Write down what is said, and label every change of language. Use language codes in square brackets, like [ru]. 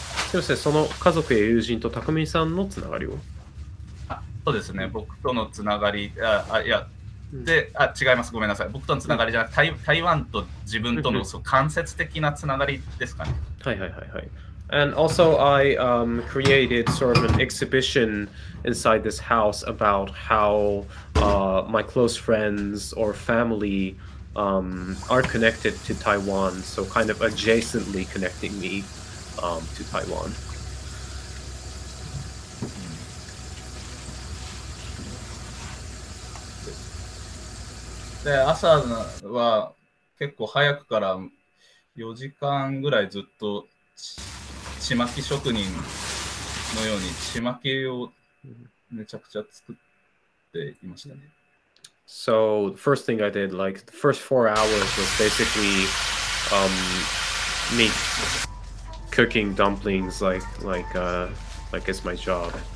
[ja] 先生、その家族や友人と匠さんのつながりを？あ、そうですね、僕とのつながり、あ、いや、で、あ、違います、ごめんなさい、僕とのつながりじゃなくて、台湾と自分との、そう、間接的なつながりですかね。はいはいはいはい。 [en] And also, I、created sort of an exhibition inside this house about how、my close friends or family、are connected to Taiwan, so kind of adjacently connecting me、to Taiwan. [ja] で、朝は結構早くから4時間ぐらいずっと血巻き職人のように血巻きをめちゃくちゃ作っていましたね。 [en] So the first thing I did, like the first 4 hours, was basically me cooking dumplings, like it's my job.